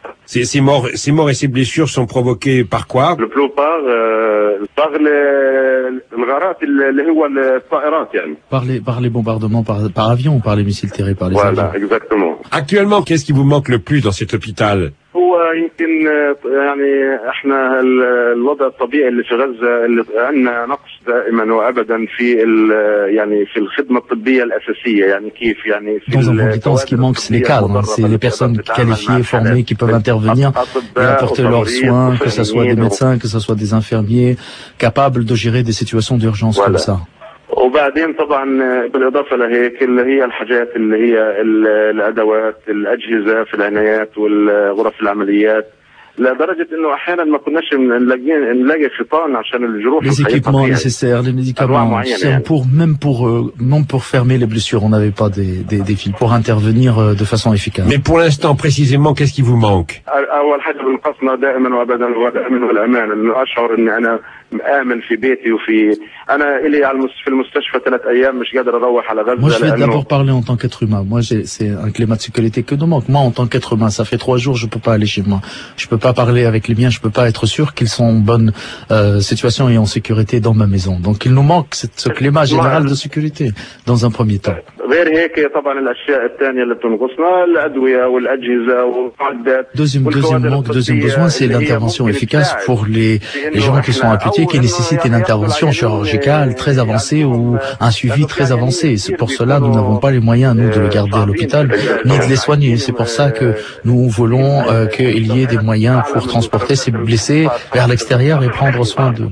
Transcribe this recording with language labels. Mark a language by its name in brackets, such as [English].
[French] Ces morts et ces blessures sont provoquées par quoi? La plupart par les bombardements par avion ou par les missiles tirés par les avions. Voilà, exactement. Actuellement, qu'est-ce qui vous manque le plus dans cet hôpital? [Arabic] يمكن يعني احنا الوضع الطبيعي اللي في غزة اللي عندنا نقص دائما وابدا في يعني في الخدمة الطبية الاساسية يعني كيف يعني في الوضع [French] qui manque c'est les cadres, c'est les personnes qualifiées, formées qui peuvent intervenir et apporter leurs soins, que ce soit des médecins, que ce soit des infirmiers, capables de gérer des situations d'urgence voilà. comme ça. [Arabic] وبعدين طبعا بالإضافة لهيك اللي هي الحاجات اللي هي الأدوات الأجهزة في العنايات والغرف العمليات لدرجة إنه أحيانا ما كناش نلاقي خطان عشان الجروح. [French] Les équipements nécessaires, les médicaments, pour même pour non pour fermer les blessures, on n'avait pas des fils pour intervenir de façon efficace. Mais pour l'instant, précisément, qu'est-ce qui vous manque ? [Arabic] أول حاجة بنقصنا دائما وأبدا هو الأمن والأمان إنه أشعر إني أنا مأمن في بيتي وفي أنا إلي على في المستشفى ثلاث أيام مش قادر أروح على غزة. [French] Moi je vais d'abord parler en tant qu'être humain. Moi j'ai c'est un climat de sécurité que nous manque. Moi en tant qu'être humain, ça fait trois jours je peux pas aller chez moi. Je peux pas parler avec les miens. Je peux pas être sûr qu'ils sont en bonne situation et en sécurité dans ma maison. Donc il nous manque ce climat général de sécurité dans un premier temps. [Arabic] غير هيك طبعا الأشياء الثانية اللي بتنقصنا الأدوية والأجهزة والمعدات. [French] Deuxième besoin c'est l'intervention efficace pour les gens qui sont amputés. Qui nécessite une intervention chirurgicale très avancée ou un suivi très avancé. C'est pour cela que nous n'avons pas les moyens, nous, de le garder à l'hôpital, ni de les soigner. C'est pour ça que nous voulons qu'il y ait des moyens pour transporter ces blessés vers l'extérieur et prendre soin d'eux.